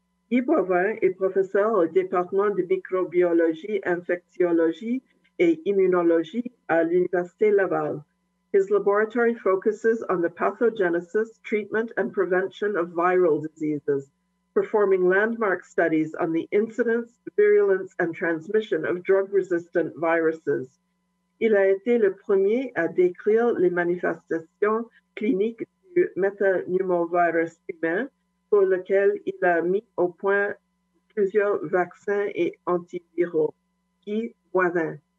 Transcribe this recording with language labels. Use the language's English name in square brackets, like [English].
[French] Guy Boivin est professeur au département de microbiologie, infectiologie et immunologie à l'Université Laval. [English] His laboratory focuses on the pathogenesis, treatment, and prevention of viral diseases, performing landmark studies on the incidence, virulence, and transmission of drug-resistant viruses. [French] Il a été le premier à décrire les manifestations cliniques du métapneumovirus humain, pour lequel il a mis au point plusieurs vaccins et antiviraux, qui voisins.